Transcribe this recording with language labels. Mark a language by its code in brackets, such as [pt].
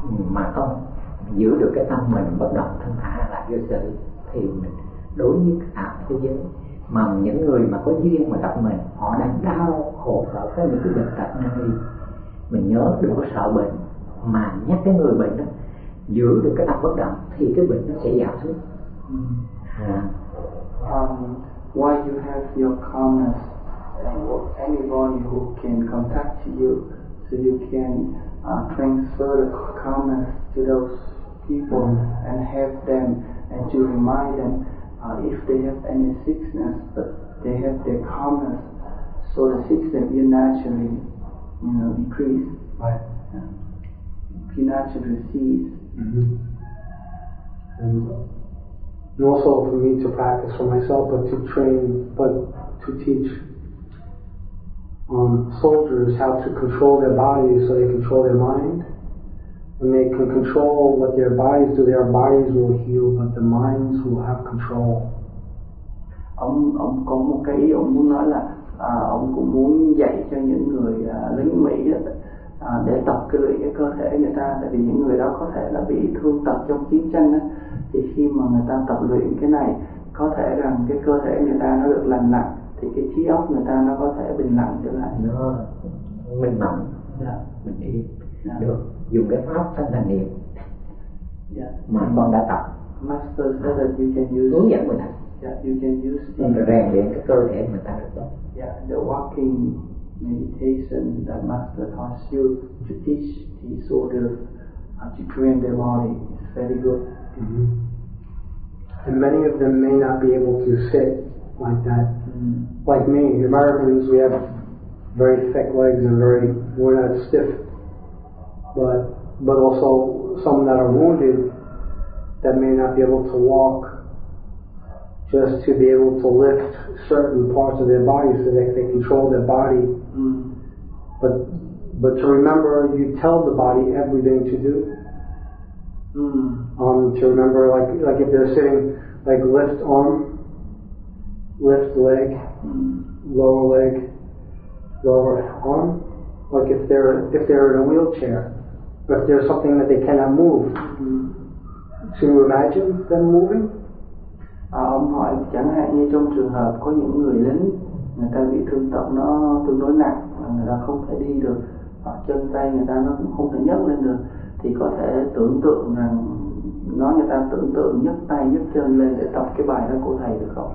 [vi] Mà không giữ được cái tâm mình bất động thân thả là vô sự, thì mình đối với cả thế giới mà những người mà có duyên mà gặp mình, họ đang đau khổ sợ cái những cái bệnh tật này, mình nhớ đừng có sợ bệnh, mà nhắc cái người bệnh đó giữ được cái tâm bất động thì cái bệnh nó sẽ giảm xuống. [en] Why you have your calmness and anybody who can contact to you, so you can transfer the calmness to those people and help them and to remind them if they have any sickness, but they have their calmness, so the sickness will naturally, you know, decrease. Right. You naturally cease. And also for me to practice for myself, but to train, but to teach soldiers how to control their bodies so they control their mind. When they can control what their bodies do, their bodies will heal, but the minds will have control. [vi] Ông có một cái ý ông muốn nói là ông cũng muốn dạy cho những người lính Mỹ để tập cái luyện cái cơ thể người ta, tại vì những người đó có thể là bị thương tật trong chiến tranh á, thì khi mà người ta tập luyện cái này, có thể rằng cái cơ thể người ta nó được lành lặn, thì cái trí óc người ta nó có thể bình lặng trở lại. Mình mạnh, mình yên, được dùng cái pháp thân thành niệm mà anh con đã tập. [en] Master said that you can use [vi] hướng dẫn người ta. [en] You can use [vi] rèn luyện cái cơ thể người ta được tốt. [en] The walking meditation that Master taught you to teach the order of Jikrin Devani. It's very good. Mm-hmm. And many of them may not be able to sit like that. Mm-hmm. Like me, the Americans, we have very thick legs and very, we're not stiff. But also some that are wounded that may not be able to walk, just to be able to lift certain parts of their body so that they control their body. Mm. But to remember, you tell the body everything to do. Mm. To remember, like if they're sitting, like lift arm, lift leg, lower leg, lower arm. Like if they're in a wheelchair, or if there's something that they cannot move, to imagine them moving. [vi] Hỏi chẳng hạn như trong trường hợp có những người lính người ta bị thương tật nó tương đối nặng và người ta không thể đi được hoặc chân tay người ta nó cũng không thể nhấc lên được thì có thể tưởng tượng rằng nói người ta tưởng tượng nhấc tay nhấc chân lên để tập cái bài đó của thầy được không?